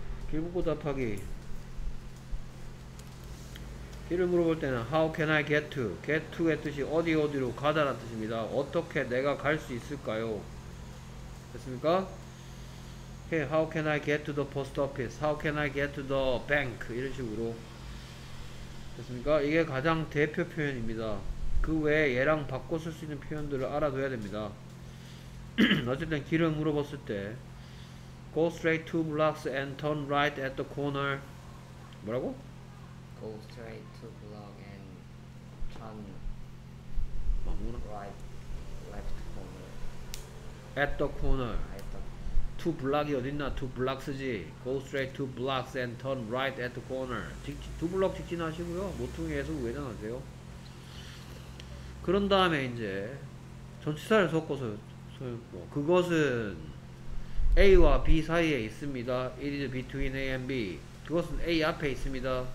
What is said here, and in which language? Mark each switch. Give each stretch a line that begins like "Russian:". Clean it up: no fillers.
Korean: 길 묻고 답하기. 길을 물어볼 때는
English: How can I get to?
Korean: Get to의 뜻이 어디 어디로 가다란 뜻입니다. 어떻게 내가 갈수 있을까요? 됐습니까?
English: Okay, how can I get to the post office? How can I get to the bank? 이런 식으로 됐습니까?
Korean: 이게 가장 대표 표현입니다. 그 외에 얘랑 바꿔 쓸수 있는 표현들을 알아둬야 됩니다.
English: 어쨌든 길을 물어봤을 때 Go straight two blocks and turn right at the corner.
Korean: 뭐라고?
English: Go straight to block and turn
Korean: 망구나.
English: left corner. At the corner. At the corner. Two block이 어딨나? Two blocks지. Go straight two blocks and turn right at the corner.
Korean: 두 블럭 직진하시고요. 모퉁이에서 우회전하세요. 그런 다음에 이제 전치사를 섞어서 그것은
English: A와 B
Korean: 사이에 있습니다.
English: It is between A and B.
Korean: 그것은 A 앞에 있습니다.